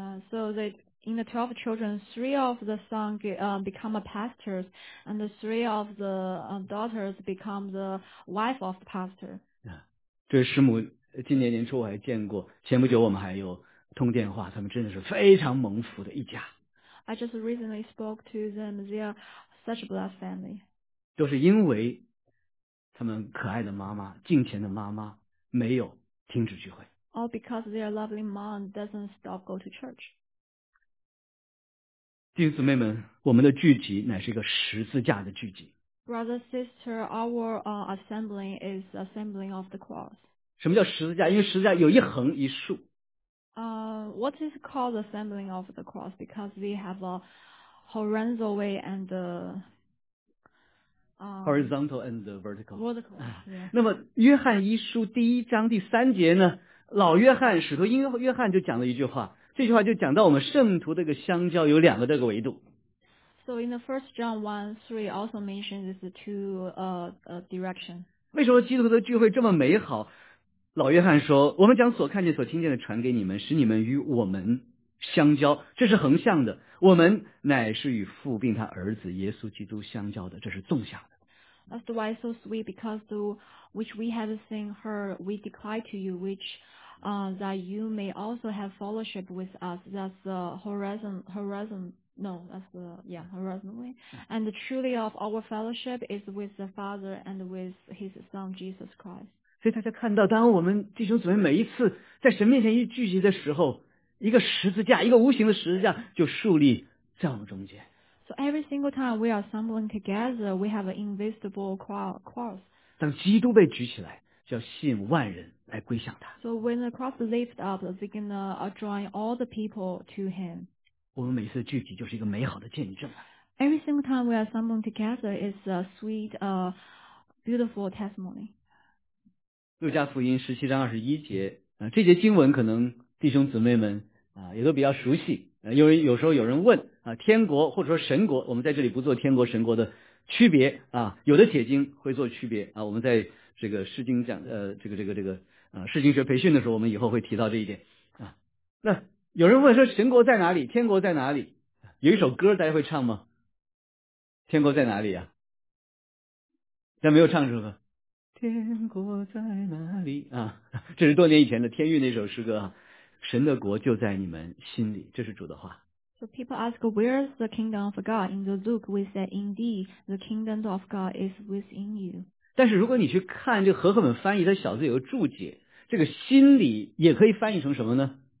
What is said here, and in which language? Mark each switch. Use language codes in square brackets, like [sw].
[en] So in the 12 children, three of the sons become a pastors, and the three of the daughters become the wife of the pastor. [zh] 这师母今年年初我还见过，前不久我们还有。通电话，他们真的是非常蒙福的一家。 [en] I just recently spoke to them. They are such a blessed family. [zh] 都是因为他们可爱的妈妈、敬虔的妈妈没有停止聚会。 [en] All because their lovely mom doesn't stop go to church. [zh] 弟兄姊妹们，我们的聚集乃是一个十字架的聚集。 [en] Brother, sister, our assembling is assembling of the cross. [zh] 什么叫十字架？因为十字架有一横一竖。 [en] What is called the assembling of the cross? Because we have a horizontal way and a horizontal and the vertical. Vertical.、Yeah. [zh] 那么约翰一书第一章第三节呢，老约翰使徒约翰就讲了一句话，这句话就讲到我们圣徒这个相交有两个这个维度。 [en] So in the first John 1:3 also mentions this two direction. [zh] 为什么基督徒的聚会这么美好？老约翰说，我们将所看见所听见的传给你们，使你们与我们相交，这是横向的，我们乃是与父并他儿子耶稣基督相交的，这是纵向的。 [en] That's why it's so sweet, because through which we have seen her, we declare to you, which that you may also have fellowship with us. That's the horizontal way. And the truly of our fellowship is with the Father and with his Son Jesus Christ. [zh] 所以大家看到，当我们弟兄姊妹每一次在神面前一聚集的时候，一个十字架，一个无形的十字架就树立在我们中间。 [en] So every single time we are assembling together, we have an invisible cross. [zh] 当基督被举起来，就要吸引万人来归向他。 [en] So when the cross lifts up, they're gonna draw all the people to him. [zh] 我们每次聚集就是一个美好的见证。 [en] Every single time we are assembling together is a sweet, beautiful testimony. [zh] 路加福音十七章二十一节啊，这节经文可能弟兄姊妹们啊也都比较熟悉，因为有时候有人问啊，天国或者说神国，我们在这里不做天国神国的区别啊，有的解经会做区别啊，我们在这个释经讲释经学培训的时候，我们以后会提到这一点啊。那有人问说神国在哪里？天国在哪里？有一首歌大家会唱吗？天国在哪里啊？但没有唱是吧？天国在哪里啊？这是多年以前的天韵那首诗歌啊，神的国就在你们心里，这是主的话。 [en] So people ask, where is the kingdom of God? In the Luke, we say, indeed, the kingdom of God is within you. [zh] 但是如果你去看这个和合本翻译，它小字有注解，这个心里也可以翻译成什么呢？